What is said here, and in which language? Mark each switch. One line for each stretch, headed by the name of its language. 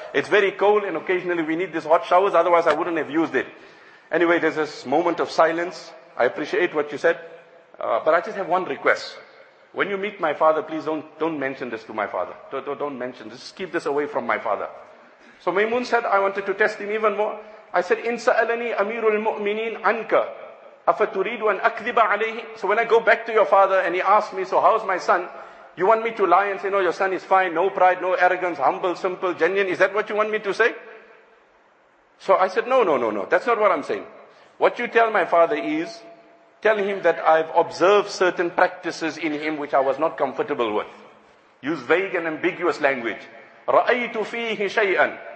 English: It's very cold and occasionally we need these hot showers, otherwise I wouldn't have used it. Anyway, there's this moment of silence. I appreciate what you said. But I just have one request. When you meet my father, please don't mention this to my father. Don't mention this. Just keep this away from my father. So Maimun said, I wanted to test him even more. I said,
Arabic: إِن سَأَلَنِي أَمِيرُ الْمُؤْمِنِينَ عَنْكَ أَفَتُرِيدُ أَنْ أَكْذِبَ عَلَيْهِ.
English: So when I go back to your father and he asks me, so how's my son? You want me to lie and say, no, your son is fine, no pride, no arrogance, humble, simple, genuine. Is that what you want me to say? So I said, no. That's not what I'm saying. What you tell my father is, tell him that I've observed certain practices in him which I was not comfortable with. Use vague and ambiguous language.
Arabic: رَأَيْتُ فِيهِ شَيْئًا.